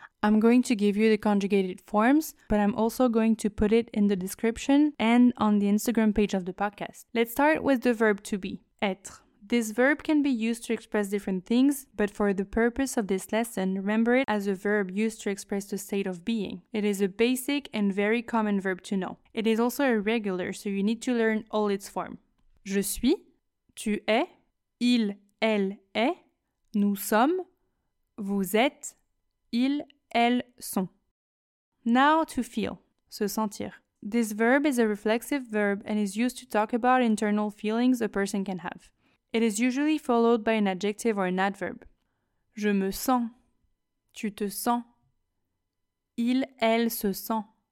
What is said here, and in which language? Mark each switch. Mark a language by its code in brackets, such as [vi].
[en] I'm going to give you the conjugated forms, but I'm also going to put it in the description and on the Instagram page of the podcast. Let's start with the verb to be, être. This verb can be used to express different things, but for the purpose of this lesson, remember it as a verb used to express the state of being. It is a basic and very common verb to know. It is also irregular, so you need to learn all its form. [fr] Je suis, tu es, il, elle est, nous sommes, vous êtes, ils, elles sont. [en] Now to feel, se sentir. This verb is a reflexive verb and is used to talk about internal feelings a person can have. It is usually followed by an adjective or an adverb. [fr] Je me sens. Tu te sens. Il, elle se sent.